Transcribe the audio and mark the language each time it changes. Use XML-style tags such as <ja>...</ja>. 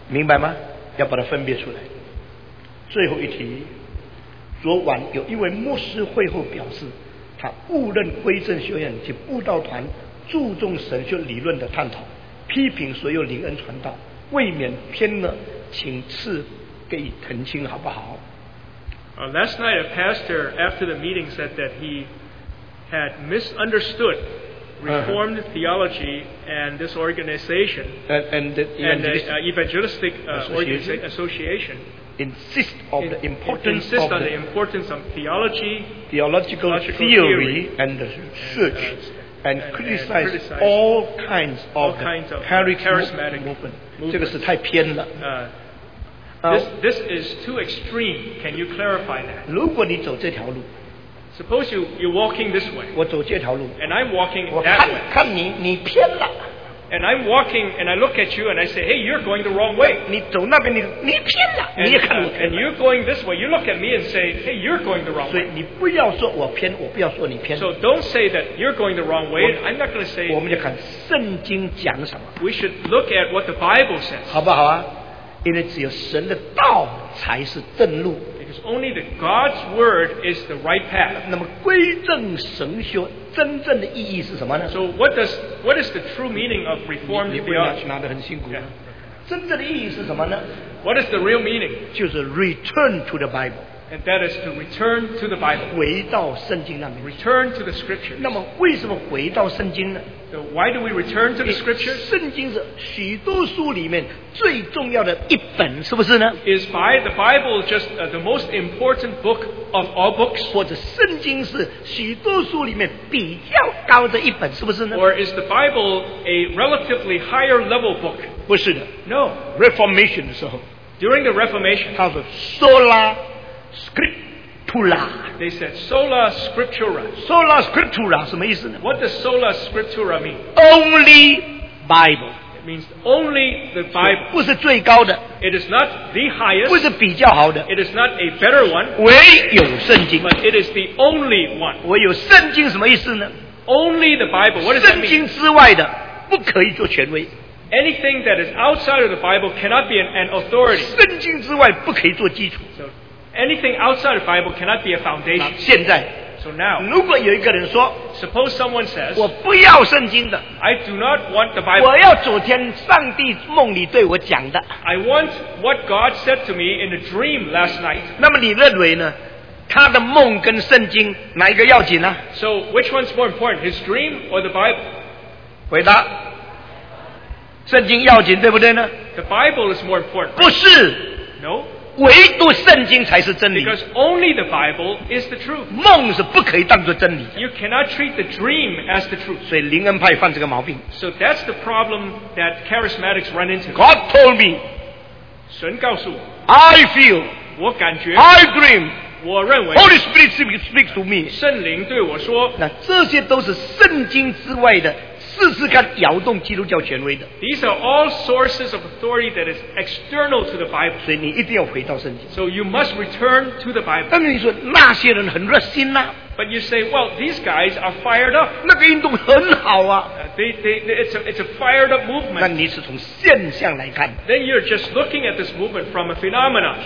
<zh>明白吗？要把它分别出来。最后一题，昨晚有一位牧师会后表示，他误认归正学院及布道团注重神学理论的探讨，批评所有灵恩传道，未免偏了，请赐给予澄清好不好？</zh> <en>Last night, a pastor after the meeting said that he had misunderstood Reformed theology and this organization and the evangelistic association insist of the importance insist of on the importance of theology, theological theory, and the church, and criticize all kinds of charismatic movement.</en> <zh>这个是太偏了。</zh> <en>This is too extreme. Can you clarify that?</en> <zh>如果你走这条路，</zh> <en>Suppose you're walking this way.</en> <zh>我走这条路，</zh> <en>and I'm walking that way.</en> <zh>我看你，你偏了。</zh> <en>And I'm walking, and I look at you, and I say, Hey, you're going the wrong way.</en> <zh>你走那边，你偏了。你也看我偏了。</zh> <en>And you're going this way. You look at me and say, Hey, you're going the wrong way.</en> <zh>所以你不要说我偏，我不要说你偏。</zh> <en>So don't say that you're going the wrong way. I'm not going to say.</en> <zh>我们就看圣经讲什么。</zh> <en>We should look at what the Bible says.</en> <zh>好不好啊？因为只有神的道才是正路。</zh> <en>Because only the God's word is the right path.</en> <zh>那么归正神学真正的意义是什么呢？</zh> <en>So what is the true meaning of Reformed theology?</en> <zh>你不要拿得很辛苦。Yeah. 真正的意义是什么呢？</zh> <en>What is the real meaning? 就是 return to the Bible. And that is to return to the Bible.</en> <zh>回到圣经那边。</zh> <en>Return to the scriptures.</en> <zh>那么为什么回到圣经呢？</zh> <en>Why do we return to the scriptures?</en> <zh>圣经是许多书里面最重要的一本，是不是呢？</zh> <en>Is by the Bible just the most important book of all books?</en> <zh>或者圣经是许多书里面比较高的一本，是不是呢？</zh> <en>Or is the Bible a relatively higher level book?</en> <zh>不是的。</zh> <en>No.</en> <zh>Reformation 的时候。</zh> <en>During the Reformation.</en> <zh>它是 sola scriptura。</zh> <en>They said sola scriptura.</en> <zh>Sola scriptura 什么意思呢？</zh> <en>What does sola scriptura mean? Only Bible. It means only the Bible.</en> <zh>不是最高的。</zh> <en>It is not the highest.</en> <zh>不是比较好的。</zh> <en>It is not a better one.</en> <zh>唯有圣经。</zh> <en>But it is the only one.</en> <zh>唯有圣经什么意思呢？</zh> <en>Only the Bible. What does that mean?</en> <zh>圣经之外的不可以做权威。</zh> <en>Anything that is outside of the Bible cannot be an authority.</en> <zh>圣经之外不可以做基础。</zh> <en>Anything outside the Bible cannot be a foundation.</en> <zh>现在</zh> <en>so now,</en> <zh>如果有一个人说</zh> <en>suppose someone says,</en> <zh>我不要圣经的</zh> <en>I do not want the Bible.</en> <zh>我要昨天上帝梦里对我讲的</zh> <en>I want what God said to me in a dream last night.</en> <zh>那么你认为呢？他的梦跟圣经哪一个要紧呢？</zh> <en>So which one's more important, his dream or the Bible?</en> <zh>回答，圣经要紧，对不对呢？</zh> <en>The Bible is more important.</en> <zh>不是。</zh> <en>No.</en> <zh>唯独圣经才是真理。</zh> <en>Because only the Bible is the truth.</en> <zh>梦是不可以当作真理。</zh> <en>You cannot treat the dream as the truth.</en> <zh>所以灵恩派犯这个毛病。</zh> <en>So that's the problem that charismatics run into. God told me.</en> <zh>神告诉我。</zh> <en>I feel.</en> <zh>我感觉。</zh> <en>I dream.</en> <zh>我认为</zh> <en>Holy Spirit speaks to me.</en> <zh>圣灵对我说，那这些都是圣经之外的，试试看摇动基督教权威的。</zh> <en>These are all sources of authority that is external to the Bible.</en> <zh>所以你一定要回到圣经。</zh> <en>So you must return to the Bible.</en> <zh>但是你说那些人很热心呐、啊。</zh> <en>But you say, well, these guys are fired up.</en> <zh>那个运动很好啊。</zh> <en>It's a fired up movement.</en> <zh>那你是从现象来看。</zh> <en>Then you're just looking at this movement from a phenomenon.</en>